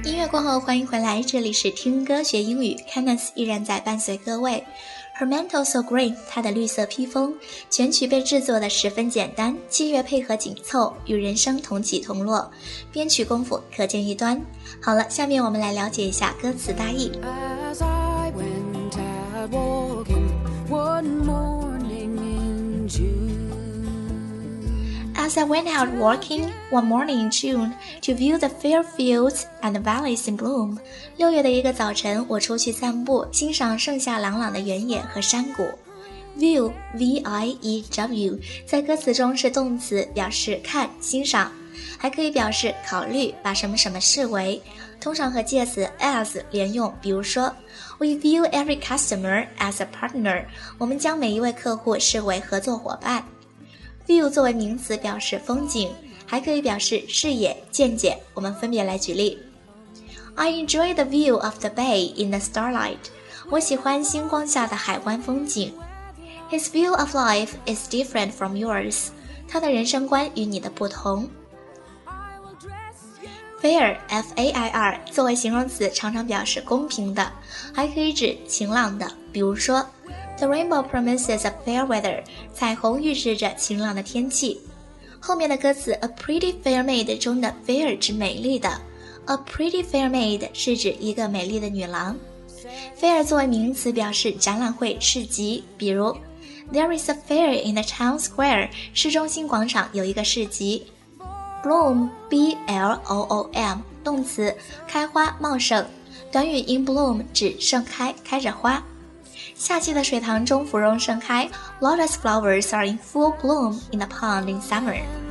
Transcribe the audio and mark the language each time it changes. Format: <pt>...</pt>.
<zh>过后，欢迎回来，这里是听歌学英语， Kenneth 依然在伴随各位。</zh> <en>Her mantle so green，</en> <zh>她的绿色披风，全曲被制作的十分简单，器乐配合紧凑，与人声同起同落，编曲功夫可见一端。好了，下面我们来了解一下歌词大意。</zh> <en>As I went out walking one morning in June. As I went out walking one morning in June to view the fair fields and valleys in bloom.</en> <zh>六月的一个早晨，我出去散步，欣赏盛夏朗朗的原野和山谷。 View, V-I-E-W, 在歌词中是动词，表示看、欣赏，还可以表示考虑，把什么什么视为，通常和介词 as 连用，比如说</zh> <en>We view every customer as a partner.</en> <zh>我们将每一位客户视为合作伙伴。View 作为名词表示风景，还可以表示视野、见解。我们分别来举例。</zh> <en>I enjoy the view of the bay in the starlight.</en> <zh>我喜欢星光下的海湾风景。</zh> <en>His view of life is different from yours.</en> <zh>他的人生观与你的不同。 Fair, F-A-I-R, 作为形容词常常表示公平的，还可以指晴朗的，比如说</zh> <en>The rainbow promises a fair weather.</en> <zh>彩虹预示着晴朗的天气。后面的歌词</zh> <en>A pretty fair maid</en> <zh>中的 fair 指美丽的。</zh> <en>A pretty fair maid</en> <zh>是指一个美丽的女郎。 Fair 作为名词表示展览会、市集，比如</zh> <en>There is a fair in the town square.</en> <zh>市中心广场有一个市集。Bloom, B-L-O-O-M, 动词开花、茂盛。短语 in bloom 指盛开、开着花。夏季的水塘中芙蓉盛开，</zh> <en>Lotus flowers are in full bloom in the pond in summer.</en>